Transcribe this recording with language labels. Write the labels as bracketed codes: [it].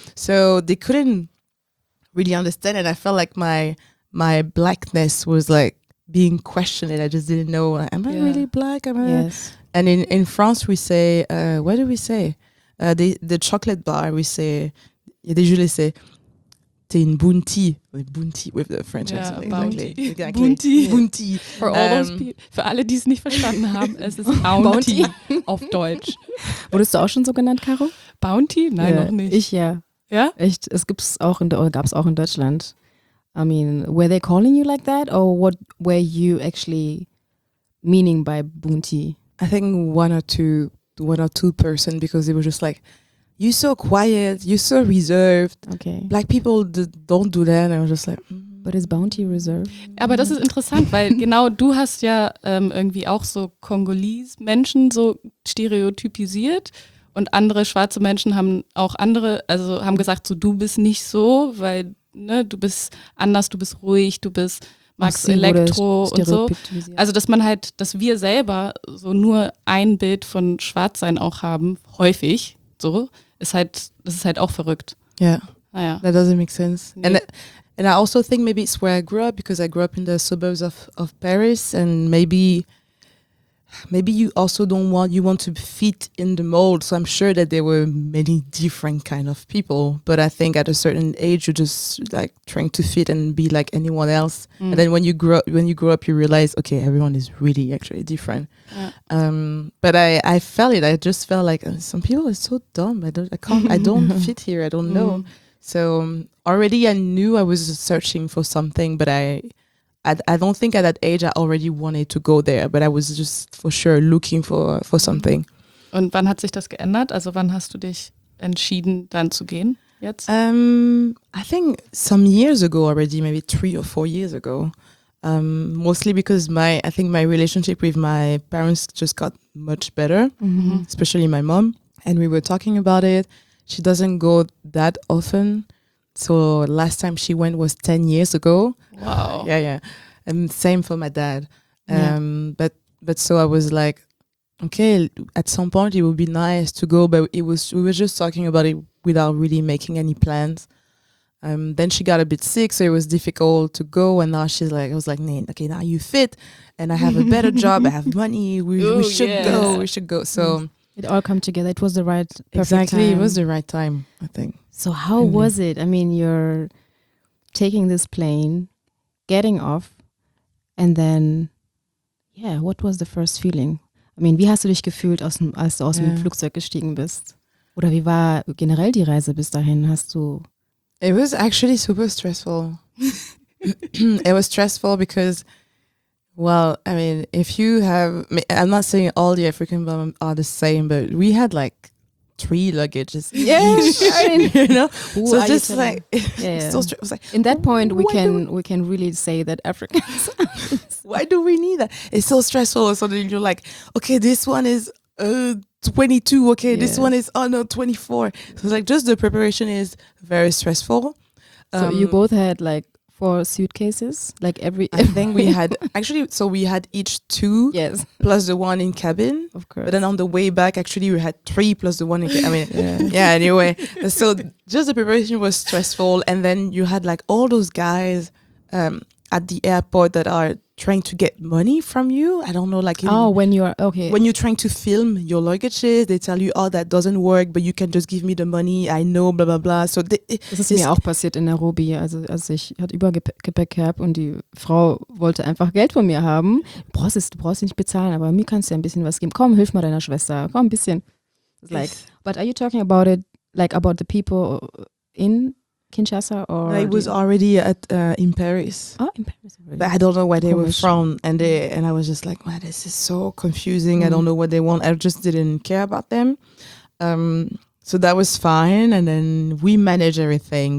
[en] So they couldn't really understand it. I felt like my blackness was like being questioned. I just didn't know, like, am I really black? Am I? Yes. And in France, we say, what do we say? The chocolate bar, we say, they usually say, [fr] t'es une bounty. [en] Bounty with the French accent. Yeah, bounty. Exactly. Bounty. Bounty. For all those people, [de] für alle, die es nicht verstanden haben, es ist Bounty, Bounty auf Deutsch. Wurdest du auch schon so genannt, Caro? Bounty? Nein, noch nicht. Ich ja. Ja? Echt, es gibt's auch gab's auch in Deutschland. [en] I mean, were they calling you like that? Or what were you actually meaning by bounty? I think one or two person, because they were just like, "You're so quiet, you're so reserved." Okay. Black people don't do that. And I was just like, But is bounty reserved? [de] Aber das ist interessant, weil genau du hast ja irgendwie auch so Kongolese-Menschen so stereotypisiert. Und andere schwarze Menschen haben auch andere, also haben gesagt, so du bist nicht so, weil ne, du bist anders, du bist ruhig, du bist magst Elektro und so. Also dass man halt, dass wir selber so nur ein Bild von Schwarzsein auch haben, häufig, so, ist halt, das ist halt auch verrückt. [en] Yeah. [de] Naja. [en] That doesn't make sense. Nee. And I also think maybe it's where I grew up, because I grew up in the suburbs of Paris, and maybe you also don't want, you want to fit in the mold. So I'm sure that there were many different kind of people. But I think at a certain age, you're just like trying to fit and be like anyone else. Mm. And then when you grow up, you realize, okay, everyone is really actually different. Yeah. But I felt it. I just felt like some people are so dumb. I don't fit here. I don't know. So already I knew I was searching for something, but I don't think at that age I already wanted to go there, but I was just for sure looking for something. [de] Und wann hat sich das geändert? Also wann hast du dich entschieden, dann zu gehen jetzt? [en] I think some years ago already, maybe 3 or 4 years ago. Mostly because my relationship with my parents just got much better, especially my mom. And we were talking about it. She doesn't go that often. So last time she went was 10 years ago. Wow. Yeah. And same for my dad. But so I was like, okay, at some point it would be nice to go, but we were just talking about it without really making any plans. Then she got a bit sick, so it was difficult to go. And now she's like, I was like, Nain, okay, now you fit and I have a better job. I have money. We should go. So it all came together. It was the right, perfect exactly, time. It was the right time, I think. So how was it? I mean, you're taking this plane, getting off, and then, yeah, what was the first feeling? [de] I mean, wie hast du dich gefühlt, als du aus dem Flugzeug gestiegen bist? Oder wie war generell die Reise bis dahin? Hast du? [en] It was actually super stressful. It was stressful because, well, I mean, if you have, I'm not saying all the African women are the same, but we had like 3 luggages. Yeah, so just like, in that point, we can really say that Africans. Why do we need that? It's so stressful. So then you're like, okay, this one is 22. Okay, yeah. This one is 24. So like, just the preparation is very stressful. So you both had like 4 suitcases. Like we had each 2, yes, plus the one in cabin. Of course. But then on the way back, actually, we had 3 plus the one in cabin. I mean, yeah. Anyway, so just the preparation was stressful, and then you had like all those guys at the airport that are trying to get money from you. I don't know, like when you're trying to film your luggages, they tell you, "Oh, that doesn't work, but you can just give me the money. I know, blah blah blah." So [de] das ist mir auch passiert in Nairobi. Also als ich hatte Übergepäck gehabt und die Frau wollte einfach Geld von mir haben. Du brauchst nicht bezahlen, aber mir kannst du ein bisschen was geben. Komm, hilf mal deiner Schwester. Komm, ein bisschen. [en] Like, but are you talking about it, like about the people in Kinshasa, or it was already at in Paris. Oh, in Paris. Really? But I don't know where they were from, and I was just like, "Man, this is so confusing." Mm. I don't know what they want. I just didn't care about them. So that was fine, and then we managed everything.